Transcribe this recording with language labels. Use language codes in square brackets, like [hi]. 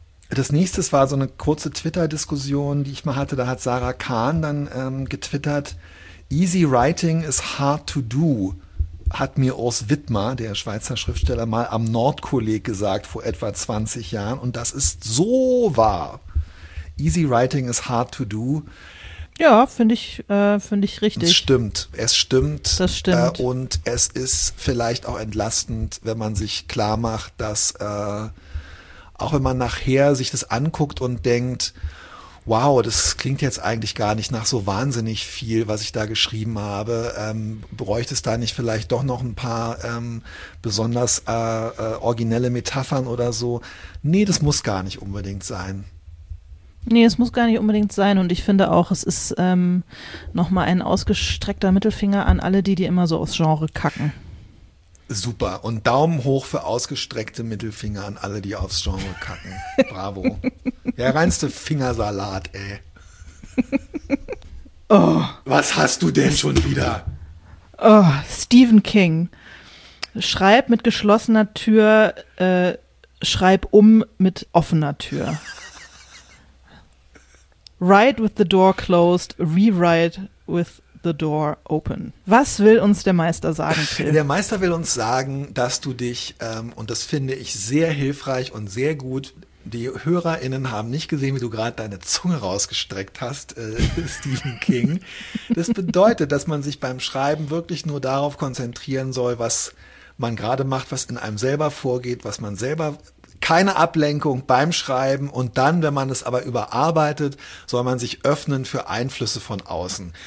[de] Das nächste war so eine kurze Twitter-Diskussion, die ich mal hatte. Da hat Sarah Kahn dann getwittert, [en] Easy writing is hard to do, [de] hat mir Urs Widmer, der Schweizer Schriftsteller, mal am Nordkolleg gesagt vor etwa 20 Jahren. Und das ist so wahr. [en] Easy writing is hard to do. [de] Ja, finde ich richtig. Es stimmt. Das stimmt. Und es ist vielleicht auch entlastend, wenn man sich klar macht, dass auch wenn man nachher sich das anguckt und denkt, wow, das klingt jetzt eigentlich gar nicht nach so wahnsinnig viel, was ich da geschrieben habe. Bräuchte es da nicht vielleicht doch noch ein paar besonders originelle Metaphern oder so? Nee, das muss gar nicht unbedingt sein. Nee, es muss gar nicht unbedingt sein. Und ich finde auch, es ist nochmal ein ausgestreckter Mittelfinger an alle, die immer so aufs Genre kacken. Super. Und Daumen hoch für ausgestreckte Mittelfinger an alle, die aufs Genre kacken. Bravo. Der reinste Fingersalat, ey. Oh. Was hast du denn schon wieder? Oh, Stephen King. Schreib mit geschlossener Tür, schreib um mit offener Tür. [en] Write with the door closed, rewrite with the door open. [de] Was will uns der Meister sagen, Till? Der Meister will uns sagen, dass du dich, und das finde ich sehr hilfreich und sehr gut, die HörerInnen haben nicht gesehen, wie du gerade deine Zunge rausgestreckt hast, Stephen King. Das bedeutet, dass man sich beim Schreiben wirklich nur darauf konzentrieren soll, was man gerade macht, was in einem selber vorgeht, was man selber, keine Ablenkung beim Schreiben, und dann, wenn man es aber überarbeitet, soll man sich öffnen für Einflüsse von außen.